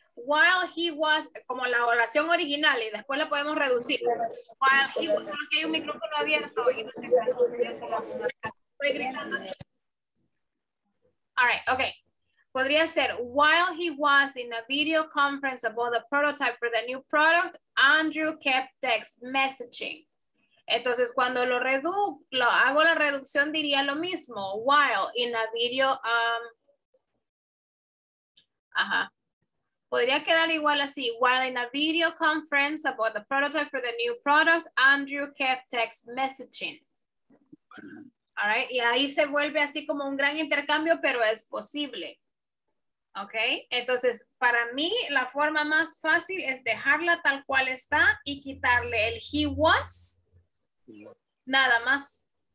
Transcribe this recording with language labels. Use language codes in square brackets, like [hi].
[en] While he was, [es] como la oración original, y después la podemos reducir. [en] While he was, [es] solo que hay un micrófono abierto y no se está gritando. [en] All right, okay. [es] Podría ser, [en] while he was in a video conference about the prototype for the new product, Andrew kept text messaging. [es] Entonces, cuando hago la reducción, diría lo mismo. [en] While in a video, [es] podría quedar igual así. [en] While in a video conference about the prototype for the new product, Andrew kept text messaging. All right. [es] Y ahí se vuelve así como un gran intercambio, pero es posible. Ok. Entonces, para mí, la forma más fácil es dejarla tal cual está y quitarle el [en] he was. [es] Nada más.